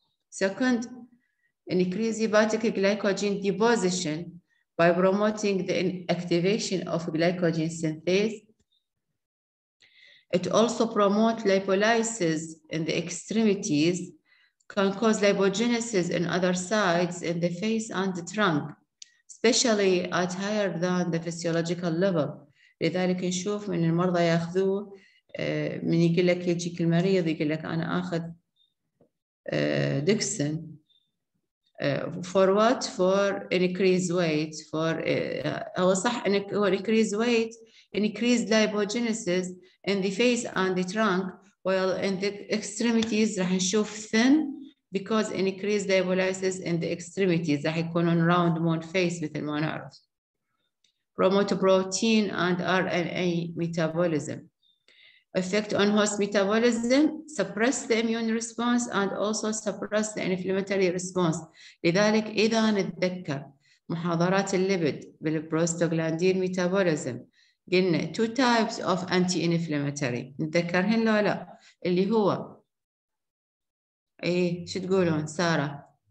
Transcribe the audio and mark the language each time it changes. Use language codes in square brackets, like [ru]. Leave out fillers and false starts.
[en] Second, increase hepatic glycogen deposition by promoting the activation of glycogen synthase. It also promotes lipolysis in the extremities, can cause lipogenesis in other sides in the face and the trunk, especially at higher than the physiological level. [ar] لذلك نشوف من المرضى ياخذوه من يقول لك يجيك المريض يقول لك انا اخذ دكسن [en] for what? For increased weight. For [ar] هو صح هو [en] increased weight, increased lipogenesis in the face and the trunk, while in the extremities [ar] راح نشوف [en] thin because increased lipolysis in the extremities [ar] راح يكون [en] on round moon face [ar] مثل ما نعرف. [en] Promote protein and RNA metabolism. Effect on host metabolism, suppress the immune response and also suppress the inflammatory response. [ar] لذلك إذا نتذكر محاضرات الليبيد بالبروستوغلاندين ميتابوليزم قلنا [en] two types of anti-inflammatory. [ar] نتذكرهن لو لا اللي هو إيه شو تقولون سارة؟